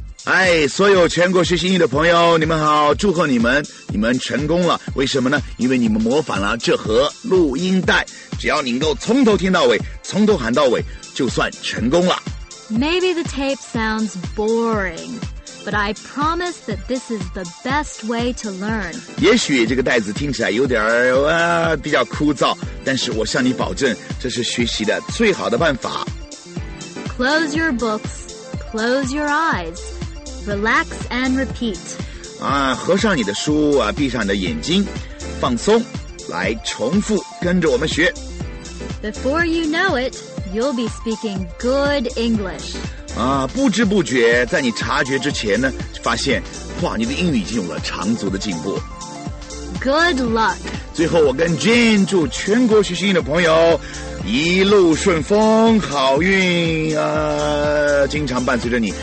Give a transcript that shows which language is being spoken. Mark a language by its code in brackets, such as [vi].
[zh] 哎，所有全国学习英语的朋友，你们好，祝贺你们，你们成功了。为什么呢？因为你们模仿了这盒录音带，只要你能够从头听到尾，从头喊到尾，就算成功了。 [en] Maybe the tape sounds boring. But I promise that this is the best way to learn. [zh] 也许这个袋子听起来有点比较枯燥，但是我向你保证，这是学习的最好的办法。 [en] Close your books, close your eyes, relax and repeat. [zh] 啊，合上你的书啊，闭上你的眼睛，放松，来重复，跟着我们学。 [en] Before you know it, you'll be speaking good English. [zh] 啊，不知不觉，在你察觉之前呢，发现，哇，你的英语已经有了长足的进步。 [en] Good luck！ [zh] 最后，我跟 Jane 祝全国学习英语的朋友一路顺风，好运啊，经常伴随着你。